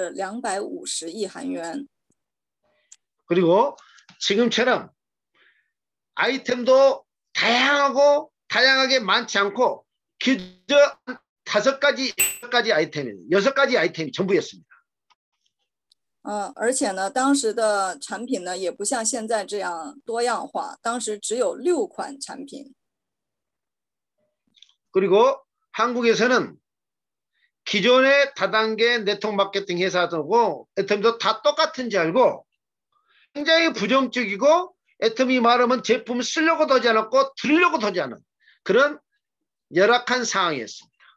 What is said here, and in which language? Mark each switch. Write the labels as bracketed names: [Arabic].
[Chinese] 当时2009年公司建立之后呢，一整年的销售额是250亿韩元。 [Korean] 그리고 지금처럼 아이템도 다양하고 다양하게 많지 않고 기존 여섯 가지 아이템이 전부였습니다. [Chinese] 而且呢，当时的产品呢也不像现在这样多样化，当时只有6款产品。 [Korean] 그리고 한국에서는 기존의 다단계 네트워크 마케팅 회사들하고 애터미도 다 똑같은 줄 알고 굉장히 부정적이고 애터미 말하면 제품을 쓰려고 하지 않았고 들으려고 하지 않은 그런 열악한 상황이었습니다.